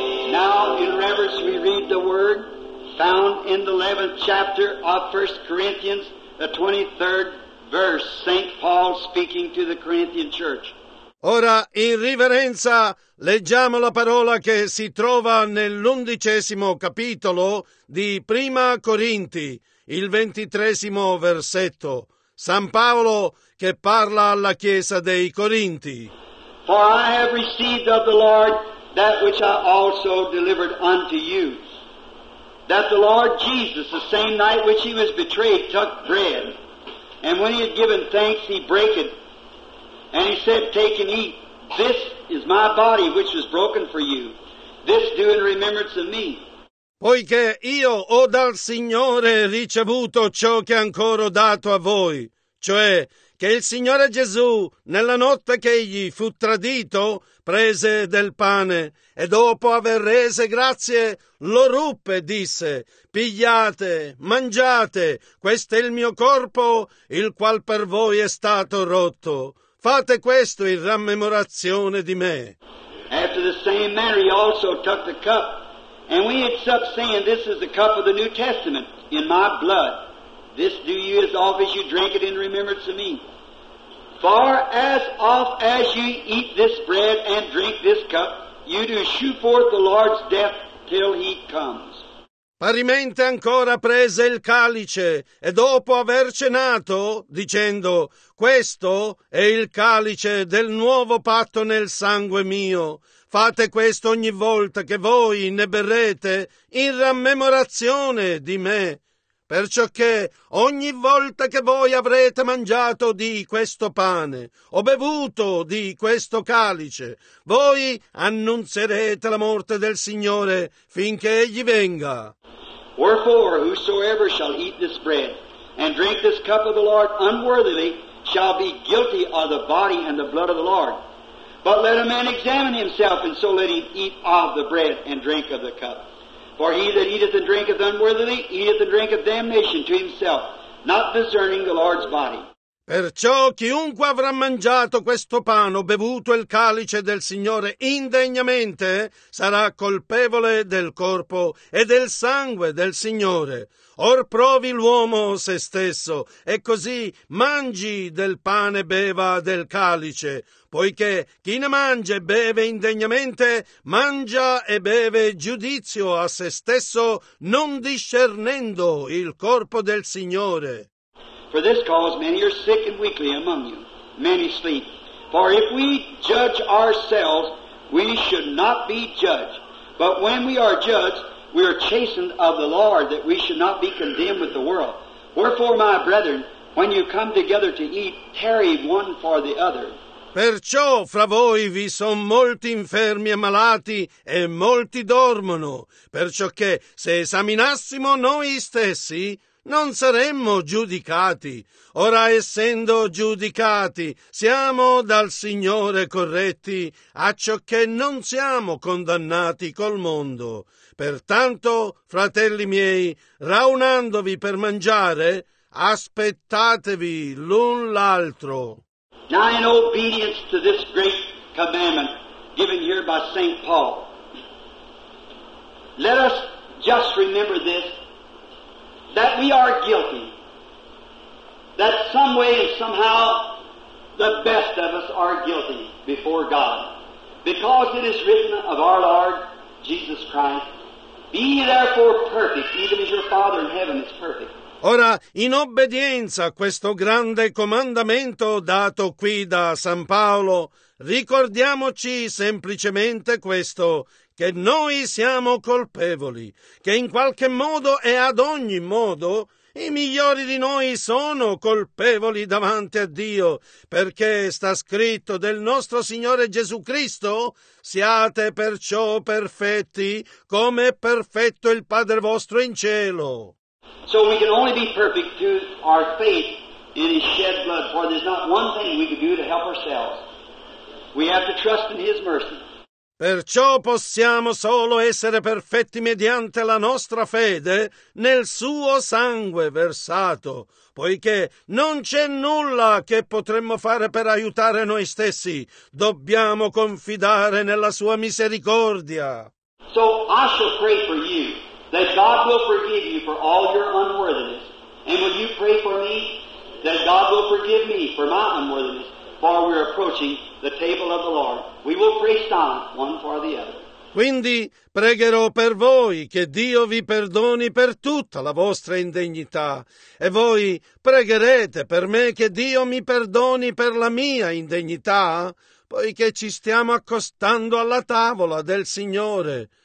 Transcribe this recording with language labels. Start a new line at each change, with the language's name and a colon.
English: Now in reverence we read the word found in the 11th chapter of 1 Corinthians, the 23rd verse, St. Paul speaking to the Corinthian church.
Italian: Ora, in riverenza, leggiamo la parola che si trova nell'undicesimo capitolo di Prima Corinti, il 23° versetto. San Paolo che parla alla Chiesa dei Corinti.
English: For I have received of the Lord that which I also delivered unto you, that the Lord Jesus, the same night which he was betrayed, took bread, and when he had given thanks, he broke it. And he said, "Take and eat, this is my body which was broken for you. This do in remembrance of me."
Italian: Poiché io ho dal Signore ricevuto ciò che ancora ho dato a voi, cioè che il Signore Gesù, nella notte che egli fu tradito, prese del pane e dopo aver rese grazie, lo ruppe e disse: "Pigliate, mangiate, questo è il mio corpo, il qual per voi è stato rotto. Fate questo in rammemorazione di me."
English: After the same manner he also took the cup, and when he had supped, saying, "This is the cup of the New Testament in my blood. This do you as oft as you drink it in remembrance of me. For as oft as you eat this bread and drink this cup, you do shew forth the Lord's death till he comes."
Italian: Parimente ancora prese il calice, e dopo aver cenato, dicendo: "Questo è il calice del nuovo patto nel sangue mio. Fate questo ogni volta che voi ne berrete in rammemorazione di me. Perciò che ogni volta che voi avrete mangiato di questo pane o bevuto di questo calice, voi annunzierete la morte del Signore finché egli venga."
English: Wherefore whosoever shall eat this bread and drink this cup of the Lord unworthily shall be guilty of the body and the blood of the Lord. But let a man examine himself, and so let him eat of the bread and drink of the cup. For he that eateth and drinketh unworthily eateth and drinketh damnation to himself, not discerning the Lord's body.
Italian: Perciò chiunque avrà mangiato questo pane o bevuto il calice del Signore indegnamente sarà colpevole del corpo e del sangue del Signore. Or provi l'uomo se stesso, e così mangi del pane e beva del calice, poiché chi ne mangia e beve indegnamente, mangia e beve giudizio a se stesso, non discernendo il corpo del Signore.
English: For this cause many are sick and weakly among you, many sleep. For if we judge ourselves, we should not be judged. But when we are judged, we are chastened of the Lord, that we should not be condemned with the world. Wherefore, my brethren, when you come together to eat, tarry one for the other.
Italian: Perciò fra voi vi son molti infermi e malati, e molti dormono. Perciò che se esaminassimo noi stessi, non saremmo giudicati. Ora, essendo giudicati, siamo dal Signore corretti, acciò che non siamo condannati col mondo. Pertanto, fratelli miei, raunandovi per mangiare, aspettatevi l'un l'altro.
English: Now, in obedience to this great commandment given here by Saint Paul, let us just remember this, that we are guilty, that some way and somehow the best of us are guilty before God, because it is written of our Lord Jesus Christ, be ye therefore perfect, even as your Father in heaven is perfect.
Italian: Ora, in obbedienza a questo grande comandamento dato qui da San Paolo, ricordiamoci semplicemente questo, che noi siamo colpevoli, che in qualche modo e ad ogni modo i migliori di noi sono colpevoli davanti a Dio, perché sta scritto del nostro Signore Gesù Cristo: siate perciò perfetti come è perfetto il Padre vostro in cielo.
English: So we can only be perfect through our faith in His shed blood, for there's not one thing we can do to help ourselves. We have to trust in His mercy.
Italian: Perciò possiamo solo essere perfetti mediante la nostra fede nel suo sangue versato, poiché non c'è nulla che potremmo fare per aiutare noi stessi. Dobbiamo confidare nella sua misericordia.
English: So I shall pray for you, that God will forgive you for all your unworthiness. And will you pray for me, that God will forgive me for my unworthiness, for we are approaching the table of the Lord. We will pray silent, one for the other.
Italian: Quindi pregherò per voi che Dio vi perdoni per tutta la vostra indegnità, e voi pregherete per me che Dio mi perdoni per la mia indegnità, poiché ci stiamo accostando alla tavola del Signore.